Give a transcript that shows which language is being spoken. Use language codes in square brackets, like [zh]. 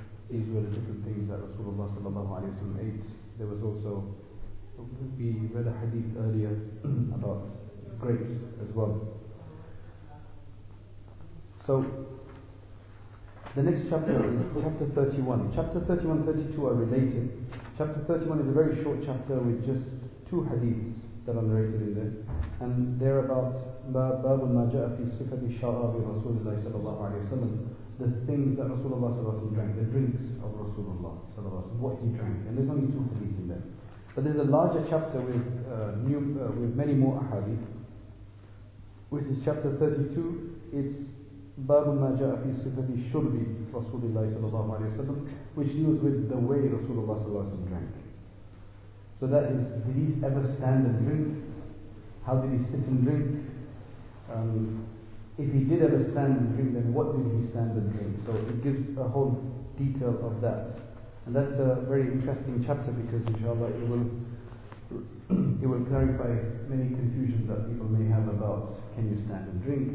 [en] These were the different things that Rasulullah sallallahu alayhi wa sallam ate. There was also, we read a hadith earlier about grapes as well. So the next chapter is chapter 31. Chapter 31 and 32 are related. Chapter 31 is a very short chapter with just two hadiths that are narrated in there. And they're about [ar] بَابُ مَا جَاءَ فِي صِفَةِ الشَّرَابِ رَسُولِ اللَّهِ صلى الله عليه وسلم. [en] The things that Rasulullah صلى الله عليه وسلم drank, the drinks of Rasulullah صلى الله عليه وسلم, what he drank. And there's only two hadiths in there. But there's a larger chapter with many more ahadith, which is chapter 32. [ar] It's بَابُ مَا جَاءَ فِي صِفَةِ الشُّرْبِ رَسُولِ اللَّهِ صلى الله عليه وسلم, [en] which deals with the way Rasulullah [ar] صلى الله عليه وسلم drank. [en] So that is, did he ever stand and drink? How did he sit and drink? If he did ever stand and drink, then what did he stand and drink? So it gives a whole detail of that. And that's a very interesting chapter because inshallah it will clarify many confusions that people may have about can you stand and drink?